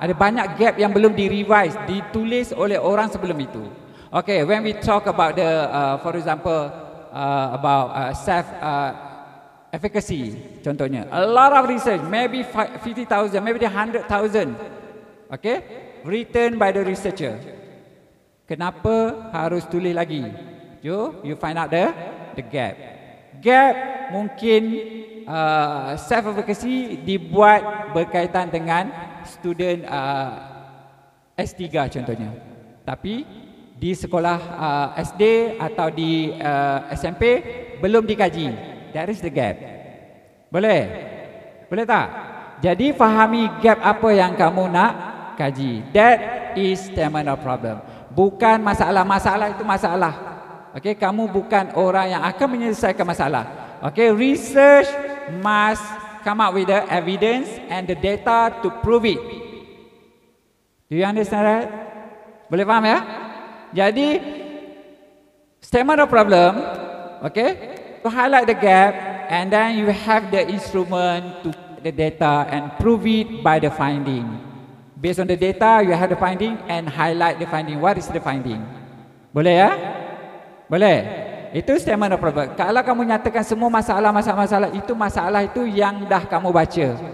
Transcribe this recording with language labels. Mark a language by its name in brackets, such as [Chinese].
[Malay] Ada banyak gap yang belum di-revise, ditulis oleh orang sebelum itu. [English] Okay, when we talk about the, for example, about self efficacy, contohnya, a lot of research, maybe 50,000, maybe 100,000, okay, written by the researcher. [Malay] Kenapa harus tulis lagi? [English] You find out the gap. [Malay] Gap mungkin self-efficacy dibuat berkaitan dengan student S3 contohnya. Tapi di sekolah SD atau di SMP belum dikaji. [English] That is the gap. [Malay] Boleh? Boleh tak? Jadi fahami gap apa yang kamu nak kaji. [English] That is terminal problem. [Malay] Bukan masalah. Masalah itu masalah. Okay, kamu bukan orang yang akan menyelesaikan masalah. [English] Okay, research must come up with the evidence and the data to prove it. Do you understand that? [Malay] Boleh faham ya? [English] Jadi, statement of problem, okay, to highlight the gap and then you have the instrument to the data and prove it by the finding. Based on the data, you have the finding and highlight the finding. What is the finding? [Malay] Boleh ya? Boleh? Itu statement of problem. Kalau kamu nyatakan semua masalah-masalah itu, masalah itu yang dah kamu baca.